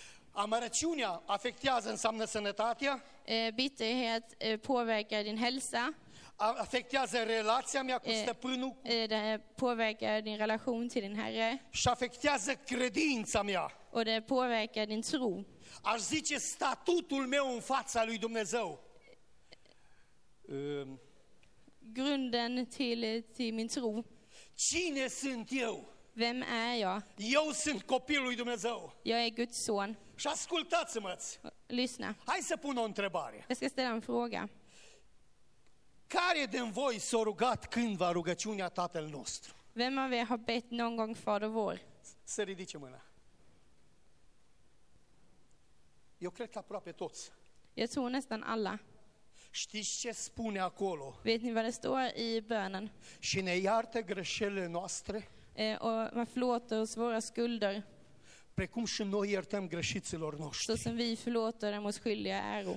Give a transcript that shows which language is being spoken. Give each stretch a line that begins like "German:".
Romanian: Amărăciunea afectează înseamnă sănătatea.
Swedish: Bitterhet påverkar din hälsa.
Romanian: Affektează relația mea cu stăpânul.
Swedish: Det påverkar din relation till din herre.
Romanian: Și afectează credința mea.
Swedish: Och det påverkar din tro.
Romanian: Aș zice statutul meu în fața lui Dumnezeu.
Swedish: Grunden till min tro.
Romanian: Cine sunt eu?
Swedish: Vem är jag?
Romanian: Eu sunt copilul lui Dumnezeu.
Swedish: Jag är Guds son.
Romanian: Și ascultați-mă.
Swedish: Lyssna.
Romanian: Hai să pun o întrebare.
Swedish: Jag ska ställa en fråga.
Romanian: Care din voi s-a rugat cândva rugăciunea Tatăl nostru?
Swedish: Vem av er har bett någon gång Fader vår?
Romanian: Să ridice mâna. Eu cred că aproape toți.
Swedish: Jag tror nästan alla.
Romanian: Știți ce spune acolo?
Swedish: Vet ni vad det står i bönen?
Romanian: Și ne iartă greșelile noastre?
Swedish: Och man förlåter oss våra skulder.
Romanian: Precum și noi iertăm greșiților noștri.
Swedish: Så som vi förlåter dem oss skyldiga är.